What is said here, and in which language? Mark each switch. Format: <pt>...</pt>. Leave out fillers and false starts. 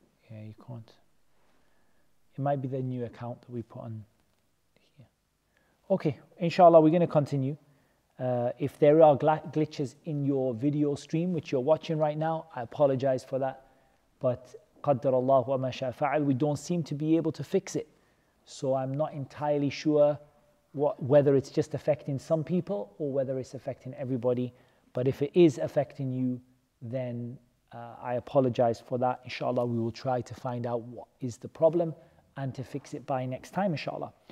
<en>Yeah, you can't. It might be the new account that we put on here. Okay, inshallah, we're going to continue. If there are glitches in your video stream, which you're watching right now, I apologize for that.</en> <ar>But قَدَّرَ اللَّهُ وَمَا شَاءَ فَعَلَ.</ar> <en>We don't seem to be able to fix it. So I'm not entirely sure whether it's just affecting some people or whether it's affecting everybody. But if it is affecting you, then... I apologize for that. Inshallah, we will try to find out what is the problem and to fix it by next time, inshallah.</en>